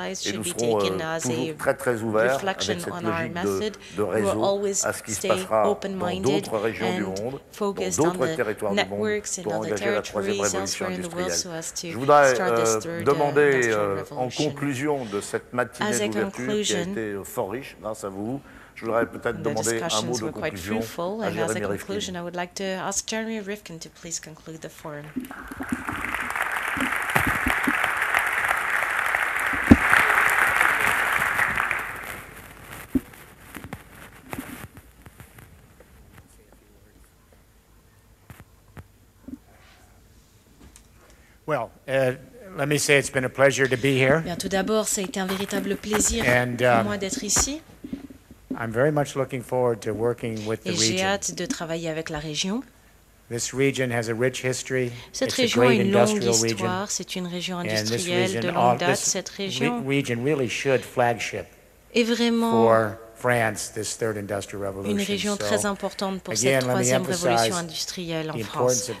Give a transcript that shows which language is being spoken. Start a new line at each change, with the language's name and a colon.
French: et nous serons toujours très très ouverts avec cette logique de réseau à ce qui se passera dans d'autres régions du monde, dans d'autres territoires du monde, pour engager la troisième révolution industrielle. Je voudrais demander, en conclusion de cette matinée d'ouverture qui a été fort riche grâce à vous, je voudrais peut-être demander un mot de conclusion à Jeremy Rifkin.
English: I would like to ask Jeremy Rifkin to please conclude the forum. Well, let me say it's been a pleasure to be here.
French: Bien, tout d'abord, ça a été un véritable plaisir pour moi d'être ici.
English: I'm very much looking forward to working with the region.
French: Et j'ai hâte de travailler avec la région.
English: This region has a rich history.
French: Cette région a une longue histoire. C'est une région industrielle de longue date. Cette région.
English: This region really should flagship.
French: Et vraiment.
English: For France, this third industrial revolution.
French: Une région très importante pour cette troisième révolution industrielle en France.